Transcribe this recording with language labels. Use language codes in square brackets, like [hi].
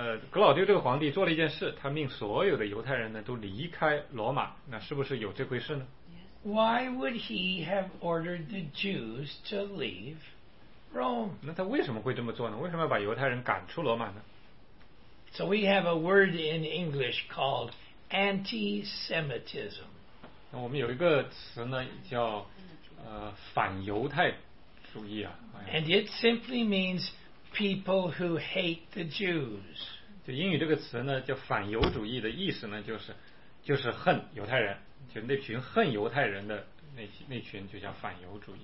[zh] 格老丢这个皇帝做了一件事，他命所有的犹太人呢，都离开罗马，那是不是有这回事呢？ [en] Why would he have ordered the Jews to leave Rome? [zh] 那他为什么会这么做呢？为什么要把犹太人赶出罗马呢？ [en] So we have a word in English called anti-Semitism. [zh] 那我们有一个词呢，叫反犹太主义啊。 [en] And it simply means people who hate the Jews. [zh] 就英语这个词呢，叫反犹主义的意思呢，就是恨犹太人。就那群恨犹太人的那群就叫反犹主义。